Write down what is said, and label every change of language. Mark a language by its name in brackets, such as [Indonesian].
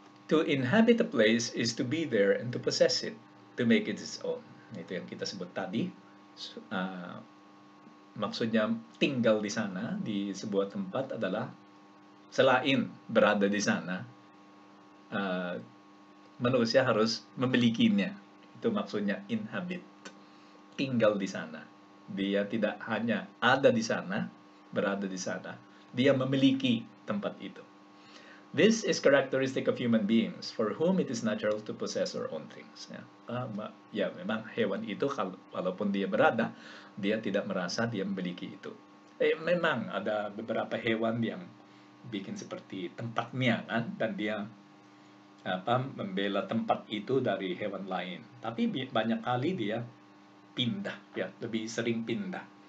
[English] To inhabit a place is to be there and to possess it, to make it its own. [Indonesian] Itu yang kita sebut tadi. Maksudnya tinggal di sana, di sebuah tempat adalah selain berada di sana, manusia harus memilikinya. Itu maksudnya inhabit. Tinggal di sana. Dia tidak hanya ada di sana, berada di sana. Dia memiliki tempat itu. [English] This is characteristic of human beings for whom it is natural to possess our own things. [Indonesian] Ya, memang hewan itu walaupun dia berada, dia tidak merasa dia memiliki itu. Memang ada beberapa hewan yang bikin seperti tempatnya kan, dan dia membela tempat itu dari hewan lain. Tapi banyak kali dia pindah, ya, lebih sering pindah.